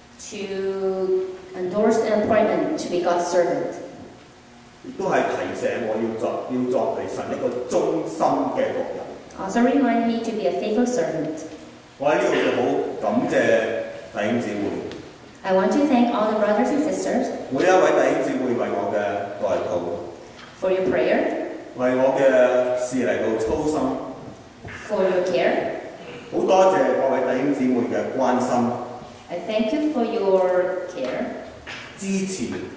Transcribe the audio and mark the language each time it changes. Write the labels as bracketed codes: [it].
[en] To endorse an appointment to be God's servant. [yue] 亦都係提醒我要作為神一個忠心嘅僕人。 [en] Also remind me to be a faithful servant. [yue] 我喺呢度就好感謝弟兄姊妹。 [en] I want to thank all the brothers and sisters. [yue] 每一位弟兄姊妹為我嘅代禱。 [en] For your prayer. [yue] 為我嘅事嚟到操心。 [en] For your care. [yue] 好多謝各位弟兄姊妹嘅關心。 [en] I thank you for your care. [yue] 支持。